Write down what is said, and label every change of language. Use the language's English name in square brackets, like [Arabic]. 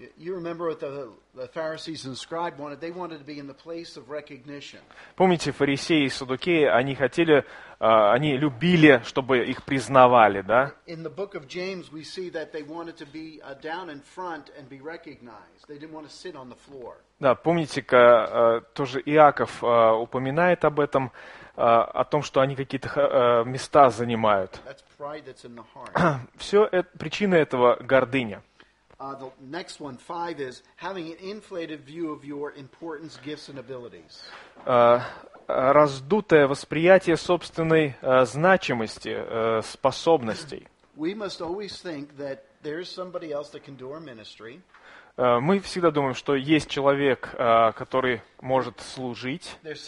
[English] You remember what the Pharisees and scribes wanted? They wanted to be in the place of recognition. [Russian] Помните, фарисеи и саддукеи, они хотели, они любили, чтобы их признавали, да? [English] In the book of James, we see that they wanted to be down in front and be recognized. They didn't want to sit on the floor. [Russian] Да, помните-ка, тоже Иаков упоминает об этом, о том, что они какие-то места занимают. [English] That's pride that's in the heart. [Russian] Все это, причина этого – гордыня. [English] The next one, five, is having an inflated view of your importance, gifts, and abilities. [Russian] Раздутое восприятие собственной значимости, способностей. [English] We must always think that there is somebody else that can do our ministry. [Russian] Мы всегда думаем, что есть человек, который может служить.